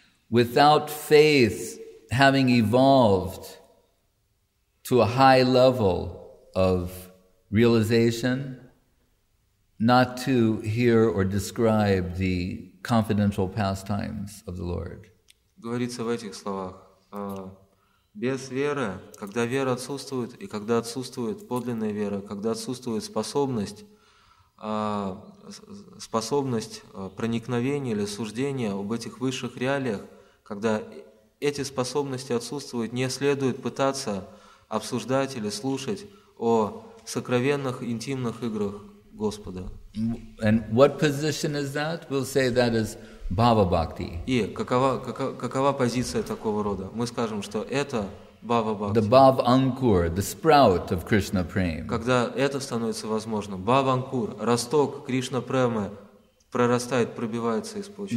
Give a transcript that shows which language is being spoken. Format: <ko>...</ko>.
<en>Without faith having evolved to a high level of realization, not to hear or describe the confidential pastimes of the Lord.</en> <ru>Говорится в этих словах: без веры, когда вера отсутствует, и когда отсутствует подлинная вера, когда отсутствует способность проникновения или суждения об этих высших реалиях, когда эти способности отсутствуют, не следует пытаться обсуждать или слушать о сокровенных интимных играх Господа.</ru> <en>And what position is that? We'll say that is Bhava Bhakti.</en> <ru>И какова позиция такого рода? Мы скажем, что это Bhava Bhakti.</ru> <en>The Bhava Ankur, the sprout of Krishna Prema.</en> <ru>Когда это становится возможным, Bhava Ankur, росток Кришна Премы прорастает, пробивается из почвы.</ru>